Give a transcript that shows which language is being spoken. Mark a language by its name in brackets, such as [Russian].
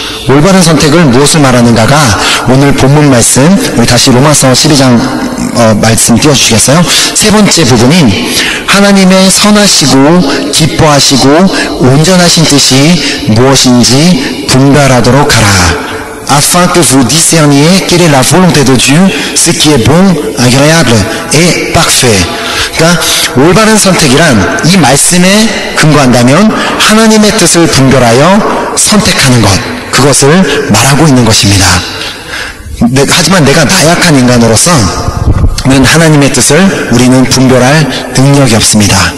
[Korean] 올바른 선택을 무엇을 말하는가가 오늘 본문 말씀, 우리 다시 로마서 12장 말씀 띄워주시겠어요? 세 번째 부분인 하나님의 선하시고 기뻐하시고 온전하신 뜻이 무엇인지 분별하도록 하라. [French] Afin que vous discerniez quelle est la volonté de Dieu, ce qui est bon, agréable et parfait. [Korean] 그러니까 올바른 선택이란 이 말씀에 근거한다면 하나님의 뜻을 분별하여 선택하는 것, 그것을 말하고 있는 것입니다. 하지만 내가 나약한 인간으로서는 하나님의 뜻을 우리는 분별할 능력이 없습니다.